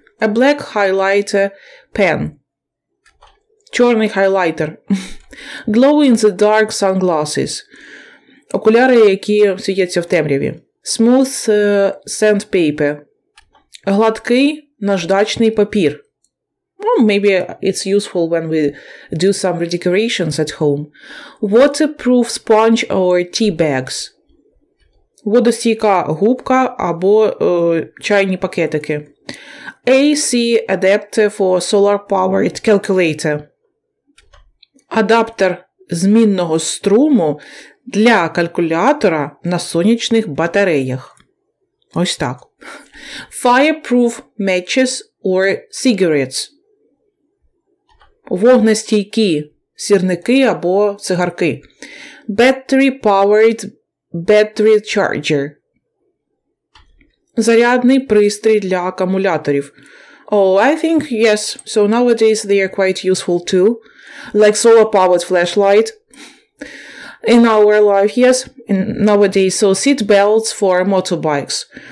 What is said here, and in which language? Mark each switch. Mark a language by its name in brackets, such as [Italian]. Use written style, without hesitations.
[English] A black highlighter pen. [Ukrainian] Чорний хайлайтер. [English] Glow-in-the-dark sunglasses. [Ukrainian] Окуляри, які світяться в темряві. [English] Smooth sandpaper. [Ukrainian] Гладкий наждачний папір. [English] Well, maybe it's useful when we do some redecorations at home. Waterproof sponge or tea bags. [Ukrainian] Водостійка губка або чайні пакетики. [English] AC adapter for solar-powered calculator. [Ukrainian] Адаптер змінного струму для калькулятора на сонячних батареях. Ось так. [English] Fireproof matches or cigarettes. [Ukrainian] Вогнестійкі сірники або цигарки. [English] Battery-powered battery charger. [Ukrainian] Зарядний пристрій для акумуляторів. [English] Oh, I think, yes, so nowadays they are quite useful too. Like solar-powered flashlight. In our life, yes, nowadays, so seat belts for motorbikes.